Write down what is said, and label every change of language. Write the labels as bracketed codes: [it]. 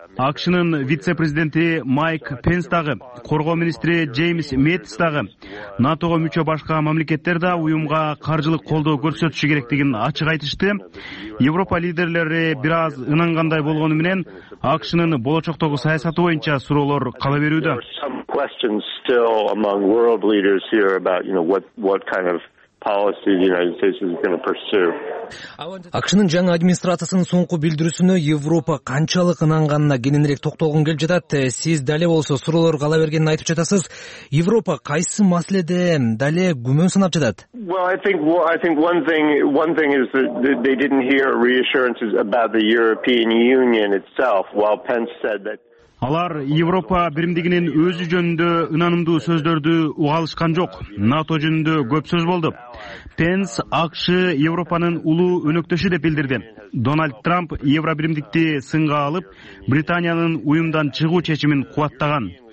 [ky] АКШнын вице-президенти Майк Пенс дагы, коргоо министри Джеймс Мэттис дагы НАТОго мүчө башка мамлекеттер да уюмга каржылык колдоо көрсөтүшү керектигин ачык айтышты. Европа лидерлери бир аз ынангандай болгону менен АКШнын болочоктогу саясаты боюнча суроолор кала берүүдө. [en] Still among world leaders here about what kind of policy the United States is going to pursue. [ky] АКШнын жаңы администрациясынын соңку билдирүүсүнө Европа канчалык ынанганына кененирээк токтолгон келип жатат. Сиз дале болсо суроолор кала бергенин айтып жатасыз. Европа кайсы маселеде дале күмөн санап жатат? [en] Well, I think one thing is that they didn't hear reassurances about the European Union itself while Pence said that [ky] Алар Европа биримдигинин өзү жөнүндө ынанымдуу сөздөрдү уга алышкан жок. НАТО жөнүндө көп сөз болду. Пенс АКШ Европанын улуу өнөктөшү деп билдирди. Дональд Трамп евробиримдикти сынга алып, Британиянын уюмдан чыгуу чечимин кубаттаган.